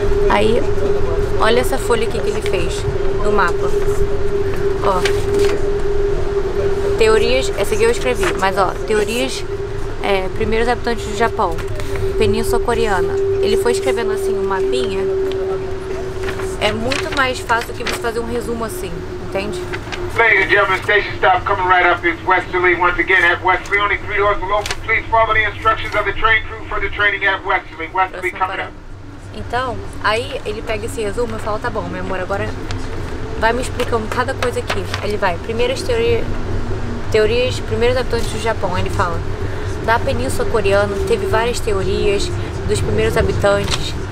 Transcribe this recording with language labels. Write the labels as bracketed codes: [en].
[pt] Aí, olha essa folha aqui que ele fez no mapa. Ó. Teorias, essa aqui eu escrevi, mas ó, teorias, primeiros habitantes do Japão, Península Coreana. Ele foi escrevendo assim um mapinha. É muito mais fácil que você fazer um resumo assim, entende? [en] Ladies and gentlemen, station stop coming right up is Westerly. Once again, at Westerly, only 3 doors below. Please follow the instructions of the train crew for the training at Westerly. Westerly coming up. [pt] Então, aí ele pega esse resumo e fala: tá bom, meu amor, agora vai me explicando cada coisa aqui. Ele vai, primeiras teorias. Teorias, primeiros habitantes do Japão, ele fala. Da Península Coreana, teve várias teorias dos primeiros habitantes.